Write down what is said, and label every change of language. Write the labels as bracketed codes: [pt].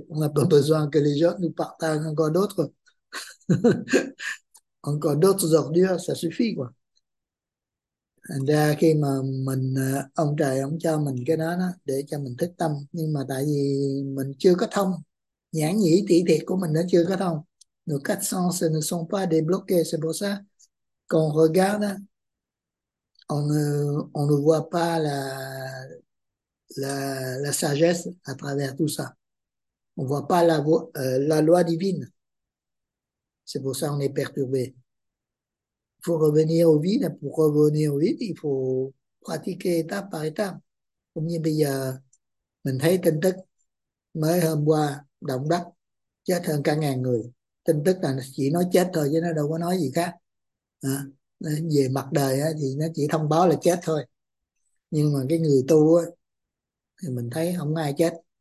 [fr] On n'a pas besoin que les gens nous partagent encore d'autres. Encore d'autres ordures, ça suffit, quoi. [vi] Thành ra khi mà ông trời ông cho mình cái đó để cho mình thức tâm. Nhưng mà tại vì mình chưa có thông, nhãn nhĩ tỷ thiệt của mình nó chưa có thông, [fr] nos quatre sens ne sont pas débloqués. C'est pour ça qu'on regarde, on ne voit pas la sagesse à travers tout ça. On voit pas la loi divine. C'est pour ça qu'on est perturbé. Il faut revenir au vide. Pour revenir au vide, il faut pratiquer étape par étape. [vi] Comme như bây giờ, mình thấy tin tức mới hôm qua, động đất, chết hơn cả ngàn người. Tin tức là chỉ nói chết thôi, chứ nó đâu có nói gì khác. À, về mặt đời á, thì nó chỉ thông báo là chết thôi. Nhưng mà cái người tu á, thì mình thấy không ai chết.